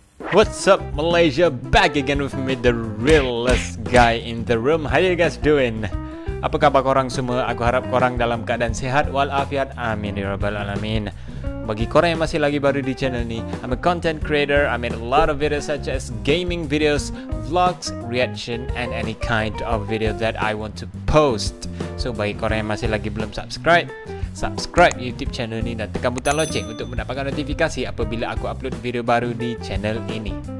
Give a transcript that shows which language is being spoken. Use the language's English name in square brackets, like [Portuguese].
[English] What's up Malaysia, back again with me, the realest guy in the room. How you guys doing? [Malay] Apa khabar korang semua? Aku harap korang dalam keadaan sehat walafiat. Amin ya rabbal alamin. Bagi korang yang masih lagi baru di channel ni, [English] I'm a content creator. I made a lot of videos such as gaming videos, vlogs, reaction and any kind of video that I want to post. [Malay] So bagi korang yang masih lagi belum subscribe, subscribe YouTube channel ni dan tekan butang lonceng untuk mendapatkan notifikasi apabila aku upload video baru di channel ini.